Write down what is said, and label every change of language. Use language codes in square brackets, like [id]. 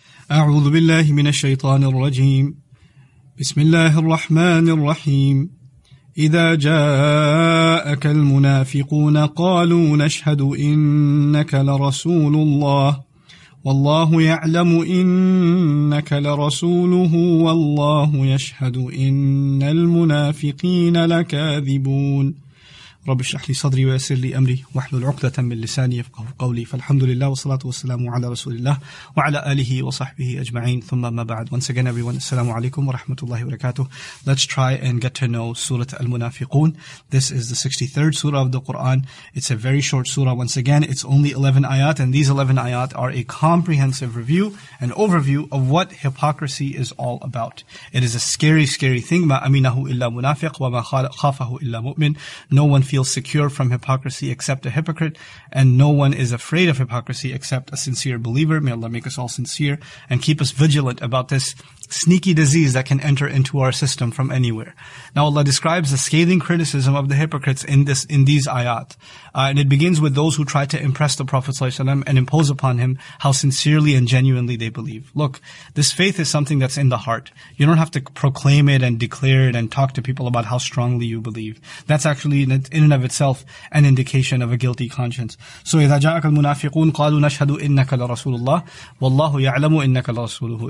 [ar] أعوذ بالله من الشيطان الرجيم بسم الله الرحمن الرحيم إذا جاءك المنافقون قالوا نشهد إنك لرسول الله والله يعلم إنك لرسوله والله يشهد إن المنافقين لكاذبون رب اشرح لي صدري ويسر لي امري واحلل عقدة من لساني يفقهوا قولي فالحمد لله والصلاة والسلام على رسول الله وعلى آله وصحبه اجمعين ثم ما بعد. [en] Once again everyone, [ar] السلام عليكم ورحمة الله وبركاته. [en] Let's try and get to know Surah Al-Munafiqun. This is the 63rd Surah of the Quran. It's a very short Surah. Once again, it's only 11 ayat, and these 11 ayat are a comprehensive review, an overview of what hypocrisy is all about. It is a scary, scary thing. [ar] ما أمينه إلا منافق وما خافه إلا مؤمن. [en] No one feels secure from hypocrisy except a hypocrite, and no one is afraid of hypocrisy except a sincere believer. May Allah make us all sincere and keep us vigilant about this sneaky disease that can enter into our system from anywhere. Now Allah describes the scathing criticism of the hypocrites in these ayat. And it begins with those who try to impress the Prophet ﷺ and impose upon him how sincerely and genuinely they believe. Look, this faith is something that's in the heart. You don't have to proclaim it and declare it and talk to people about how strongly you believe. That's actually in and of itself an indication of a guilty conscience. [ar] So إذا جاءك المنافقون قالوا نشهد إنك لرسول الله والله يعلم إنك لرسوله.